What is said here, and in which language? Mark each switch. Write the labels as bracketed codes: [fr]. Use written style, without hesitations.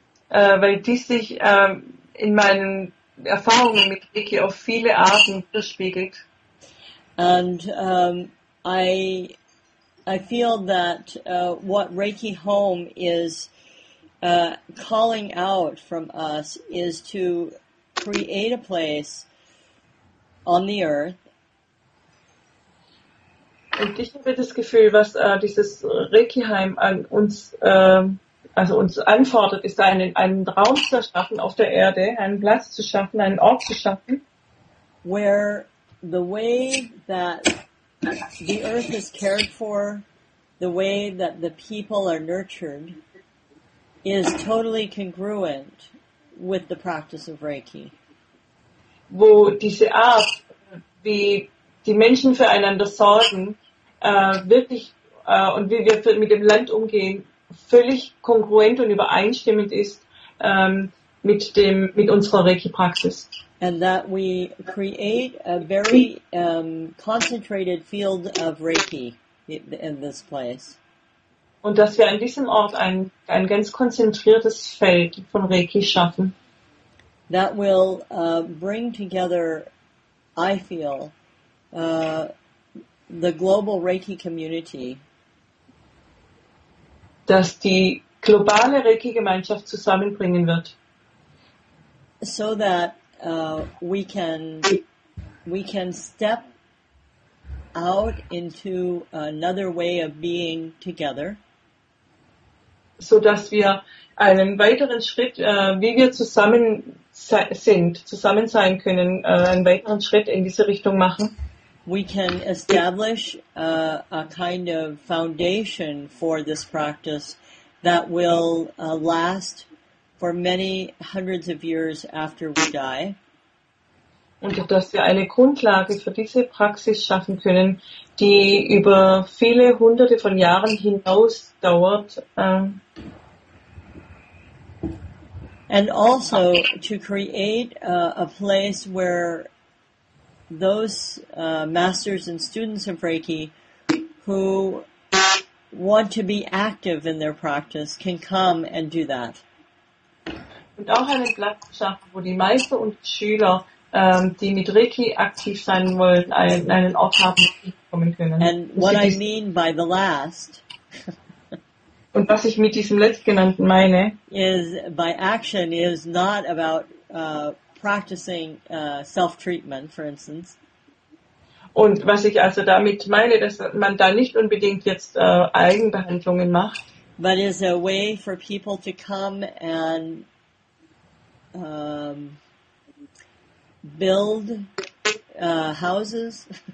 [de] Weil dies sich in meinen Erfahrungen mit Reiki auf viele Arten widerspiegelt. [en] And I feel that what Reiki Home is calling out from us is to create a place on the earth. [de] Und ich habe das Gefühl, was dieses Reiki Heim an uns also uns anfordert, ist einen Raum zu schaffen auf der Erde, einen Platz zu schaffen, einen Ort zu schaffen, [en] where the way that the earth is cared for, the way that the people are nurtured, is totally congruent with the practice of Reiki. [de] Wo diese Art, wie die Menschen füreinander sorgen, wirklich und wie wir mit dem Land umgehen, völlig kongruent und übereinstimmend ist mit unserer Reiki-Praxis. [en] And that we create a very concentrated field of Reiki in this place. [de] Und dass wir an diesem Ort ein ganz konzentriertes Feld von Reiki schaffen. [en] That will bring together, I feel, the global Reiki community. [de] Dass die globale Reiki-Gemeinschaft zusammenbringen wird. [en] So that we can step out into another way of being together. [de] So dass wir einen weiteren Schritt, wie wir zusammen sind, zusammen sein können, einen weiteren Schritt in diese Richtung machen. [en] We can establish a kind of foundation for this practice that will last for many hundreds of years after we die. [de] Und auch, dass wir eine Grundlage für diese Praxis schaffen können, die über viele hunderte von Jahren hinaus dauert. [en] And also to create a place where those masters and students of Reiki who want to be active in their practice can come and do that. [de] Und auch einen Platz schaffen, wo die Meister und Schüler, die mit Reiki aktiv sein wollen, einen Ort haben, wo sie kommen können. [en] And what I mean by the last. [de] Und was ich mit diesem Letztgenannten meine, [en] is by action is not about practicing self-treatment, for instance. [de] Und was ich also damit meine, dass man da nicht unbedingt jetzt Eigenbehandlungen macht. [en] But is a way for people to come and build houses.